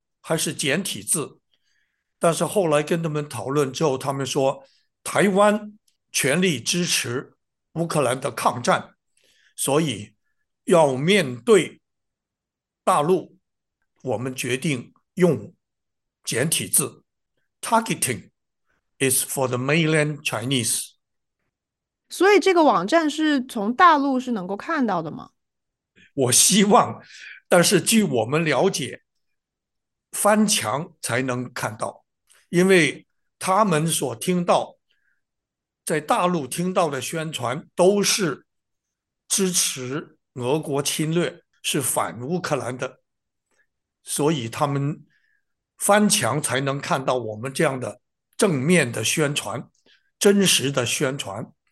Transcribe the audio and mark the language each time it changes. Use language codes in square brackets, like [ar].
[zh] 还是简体字，但是后来跟他们讨论之后，他们说台湾全力支持乌克兰的抗战，所以要面对大陆，我们决定用简体字。 [en] Targeting is for the mainland Chinese。 [zh] 所以这个网站是从大陆是能够看到的吗？我希望，但是据我们了解。翻墙才能看到，因为他们所听到，在大陆听到的宣传都是支持俄国侵略，是反乌克兰的，所以他们翻墙才能看到我们这样的正面的宣传，真实的宣传。